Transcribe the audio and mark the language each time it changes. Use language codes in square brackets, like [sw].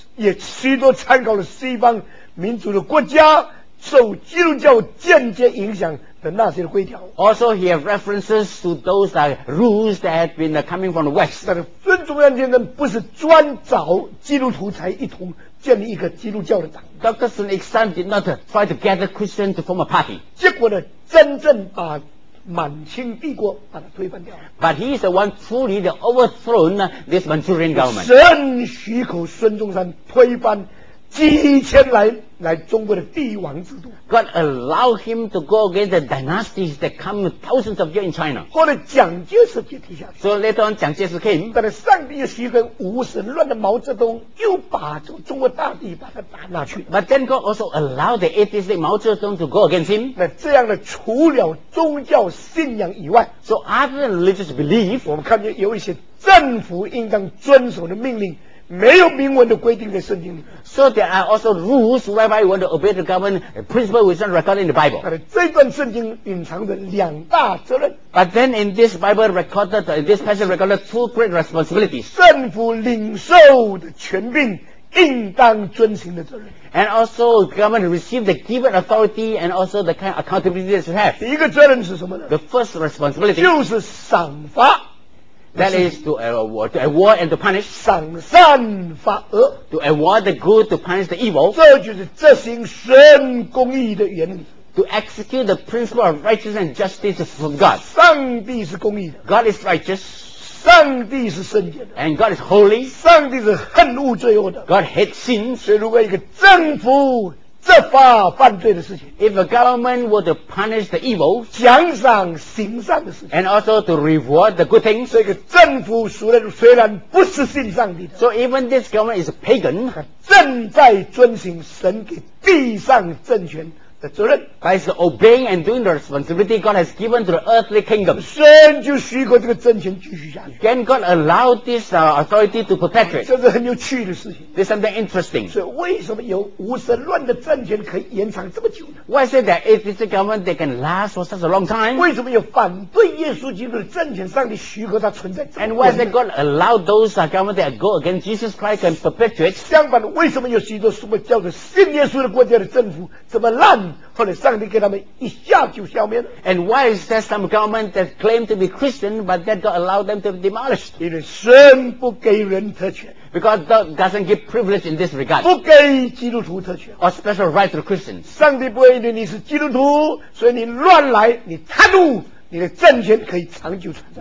[zh] 也许多参考了西方民主的国家受基督教间接影响的那些规条。 [en] Also, he have references to those rules that have been coming from the West. [zh] 但是孙中山先生不是专找基督徒才一同建立一个基督教的党。 [en] Dr. Sun Yat-sen did not try to gather Christians to form a party. [zh] 结果呢，真正把满清帝国把它推翻掉了。 [en] But he is the one truly the overthrown this Manchurian government. [zh] 神许可孙中山推翻几千来中国的帝王制度。 [en] God allowed him to go against the dynasties that come thousands of years in China. [zh] 后来蒋介石接替下去。 [en] So later on, 蒋介石 came. [zh] 但是上帝许可无神论的毛泽东又把中国大地把他拿去。 [en] But then God also allowed the atheistic 毛泽东 to go against him. [zh] 那这样的除了宗教信仰以外 [en] ，So other than religious belief, [zh] 我们看见有一些政府应当遵守的命令。没有明文的规定在圣经里。 [en] So there are also rules whereby you want to obey the government, a principle which is not recorded in the Bible. [zh] 但是这段圣经隐藏着两大责任。 [en] But then in this Bible recorded, this passage recorded two great responsibilities. [zh] 政府领受的权柄应当遵行的责任。 [en] And also government received the given authority and also the kind of accountability that you have. [zh] 第一个责任是什么呢？ [en] The first responsibility. [zh] 就是赏罚。 [en] That is to award and to punish. [zh] 赏善罚恶。 [en] To award the good, to punish the evil. [zh] 这就是执行神公义的原理。 [en] To execute the principle of righteousness and justice from God. [zh] 上帝是公义的。 [en] God is righteous. [zh] 上帝是圣洁的。 [en] And God is holy. [zh] 上帝是恨恶罪恶的。 [en] God hates sins. [zh] 所以如果一个政府执法犯罪的事情 [en] ，If a government were to punish the evil， [zh] 奖赏行善的事情 [en] ，and also to reward the good things， [zh] 这个政府虽然不是信上帝的 [en] ，so even this government is a pagan， [zh] 正在遵行神给地上政权的责任 [en] ，by obeying and doing the responsibility God has given to the earthly kingdom， [zh] 神就许可这个政权继续下去 [en] ，can God allow this authority to perpetuate？ [zh] 这是很有趣的事情。 [en] This is something interesting. [zh] 所以为什么有无神论的政权可以延长这么久呢？ [en] Why is it that if this government they can last for such a long time? [zh] 为什么有反对耶稣基督的政权，上帝许可它存在这么久呢？ [en] And why is it God allow those government that go against Jesus Christ can perpetuate? [zh] 相反，为什么有许多什么叫做信耶稣的国家的政府这么烂，后来上帝给他们一下就消灭了？ [en] And why is there some government that claim to be Christian but that God allow them to be demolished? [zh] 因为神不给人特权。 [en] Because God doesn't give privilege in this regard. [zh] 不给基督徒特权。 [en] Or special right to Christians. [zh] 上帝不会因为你是基督徒，所以你乱来，你贪污，你的政权可以长久存在。